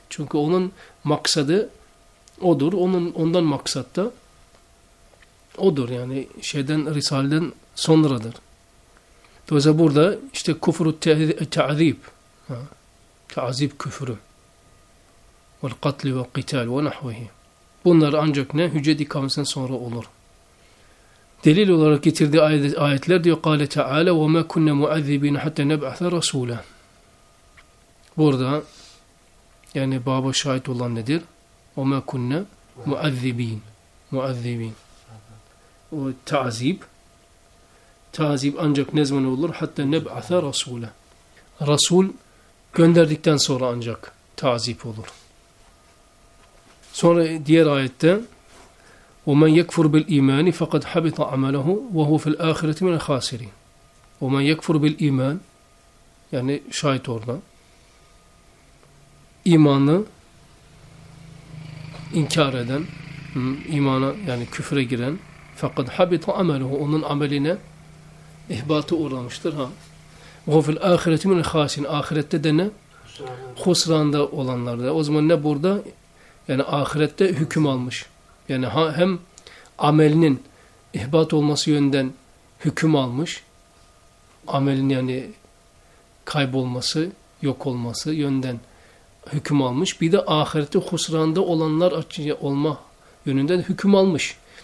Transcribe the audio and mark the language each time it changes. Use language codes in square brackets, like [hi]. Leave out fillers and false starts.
[tr] Çünkü onun maksadı odur. Ondan maksat da odur. Yani şeyden, Risale'den sonradır. Dolayısıyla burada işte kufru te'zib. Te'zib küfürü. Vel katli ve qital ve nahvehi. Bunlar ancak ne? Hüccet ikamesinden sonra olur. Delil olarak getirdiği ayetler diyor, [ar] قَالَ تَعَالَ وَمَا كُنَّ مُعَذِّبِينَ حَتَّى نَبْعَثَ رَسُولًا. [tr] Burada yani baba şahit olan nedir? [ar] وَمَا كُنَّ مُعَذِّبِينَ. [tr] مُعَذِّبِينَ. O ta'zib. Ta'zib ancak ne zaman olur? [ar] حَتَّى نَبْعَثَ رَسُولًا. [tr] Resul gönderdikten sonra ancak ta'zib olur. Sonra diğer ayette, [ar] وَمَنْ يَكْفُرْ بِالْا۪يمَانِ فَقَدْ حَبِطَ عَمَلَهُ وَهُوَ فِي الْآخِرَةِ مِنَ الْخَاسِرِينَ. وَمَنْ يَكْفُرْ بِالْا۪يمَانِ, [tr] yani şahit orada, imanı inkar eden, imana yani küfre giren, [ar] فَقَدْ حَبِطَ عَمَلَهُ, [tr] onun ameline ihbatı uğramıştır. [ar] وَهُوَ فِي الْآخِرَةِ مِنَ الْخَاسِرِينَ, [tr] ahirette de ne? Husranda olanlarda. O zaman ne burada? Yani ahirette hüküm almış. Yani hem amelinin ihbat olması yönden hüküm almış, amelin yani kaybolması, yok olması yönden hüküm almış, bir de ahirette husranda olanlar olma yönünden hüküm almış.